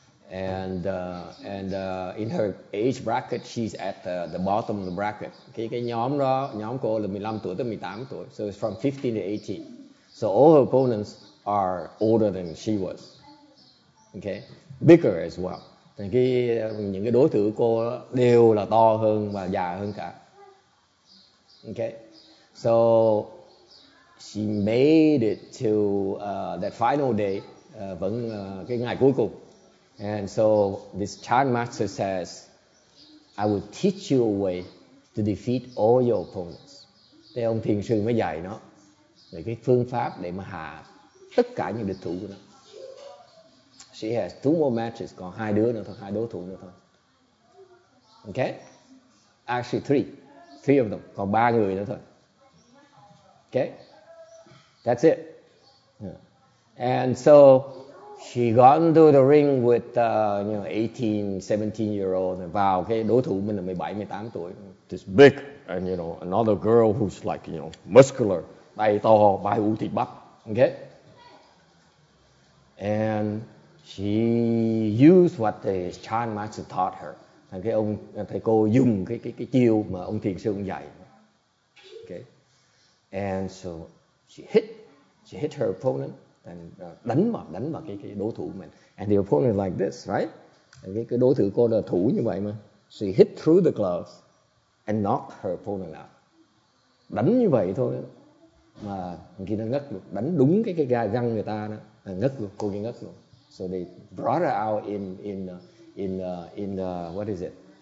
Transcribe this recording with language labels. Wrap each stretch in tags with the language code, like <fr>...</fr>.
<en>And in her age bracket, she's at the bottom of the bracket.</en> <vi>Cái nhóm đó, nhóm cô là 15 tuổi tới 18 tuổi.</vi> <en>So it's from 15 to 18. So all her opponents are older than she was. Okay, bigger as well.</en> <vi>Thì những cái đối thủ của cô đều là to hơn và già hơn cả.</vi> <en>Okay, so she made it to that final day,</en> <vi>cái ngày cuối cùng.</vi> <en>And so this Chan master says, I will teach you a way to defeat all your opponents.</en> <vi>Thế ông thiền sư mới dạy nó về cái phương pháp để mà hạ tất cả những địch thủ của nó.</vi> <en>She has two more matches,</en> <vi>còn hai đứa nữa thôi, hai đối thủ nữa thôi.</vi> <en>Okay, actually three of them,</en> <vi>còn ba người nữa thôi.</vi> <en>Okay, that's it. And so she got into the ring with 18, 17 year old, and</en> <vi>vào cái đối thủ mình là 17, 18 tuổi.</vi> <en>This big, and you know, another girl who's like, you know, muscular,</en> <vi>bay to, bay u thịt bắp.</vi> <en>Okay, and she used what the Chan master taught her.</en> <vi>Cái ông thầy cô dùng cái chiêu mà ông thiền sư ông dạy. Okay.</vi> <en>And so she hit her opponent and</en> <vi>đánh vào cái đối thủ mình.</vi> <en>And the opponent like this, right?</en> <vi>Cái đối thủ cô là thủ như vậy mà.</vi> <en>She hit through the gloves and knocked her opponent out.</en> <vi>Đánh như vậy thôi mà khi nó ngất luôn, đánh đúng cái găng người ta đó là ngất luôn, cô kia ngất luôn.</vi> <en>So they brought her out in what is it?</en>